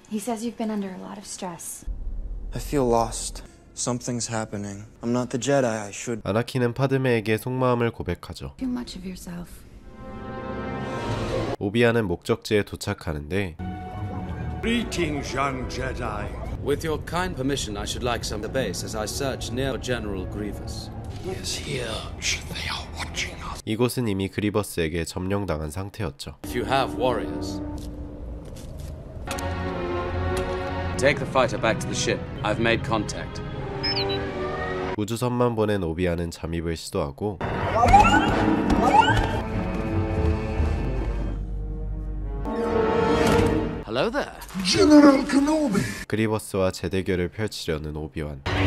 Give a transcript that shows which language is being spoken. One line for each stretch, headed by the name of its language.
English: He says you've been under a lot of stress. I feel lost. Something's happening. I'm not the Jedi I should.
Korean: 아나킨은 파드메에게 속마음을 고백하죠.
English: Too much of yourself.
Korean: 오비완은 목적지에 도착하는데
English: Greetings, young Jedi. With your kind permission, I should like some of the base as I search near General Grievous. He is here. They are watching us.
Korean: 이곳은 이미 그리버스에게 점령당한 상태였죠.
English: If you have warriors, take the fighter back to the ship. I've made contact.
Korean: 우주선만 보낸 오비완은 잠입을 시도하고
English: Hello there. General Kenobi.
Korean: 그리버스와 재대결을 펼치려는 오비완.